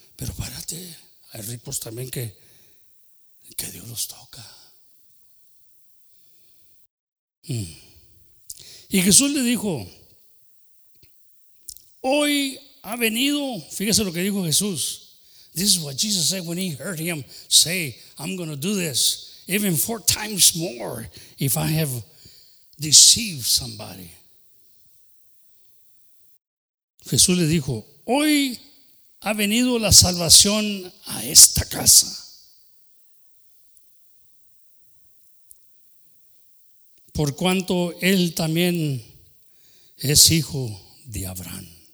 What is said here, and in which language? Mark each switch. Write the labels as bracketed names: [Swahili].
[Spanish] Pero párate, hay ricos también que Dios los toca. Y Jesús le dijo, hoy ha venido, fíjese lo que dijo Jesús. [English] This is what Jesus said when he heard him say, I'm going to do this even 4 times more if I have deceived somebody. [Spanish] Jesús le dijo, hoy ha venido la salvación a esta casa. Por cuanto él también es hijo de Abraham.